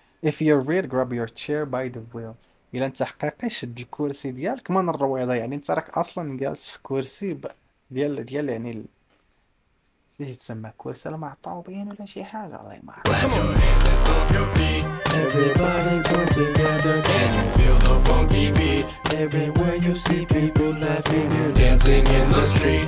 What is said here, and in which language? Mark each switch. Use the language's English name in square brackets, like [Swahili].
[English] If you're real, grab your chair by the wheel. [Arabic] إلا أنت حقيقي شد الكرسي ديالك من الرويضة، يعني أنت راك أصلا جالس في كرسي ديال يعني ايش تسمى كرسي لا معطوبين ولا شي حاجه، الله ما عرفت. [English] Clap your hands and stomp your feet. Everybody join together. Can you feel the funky beat? Everywhere you see people laughing and dancing in the street.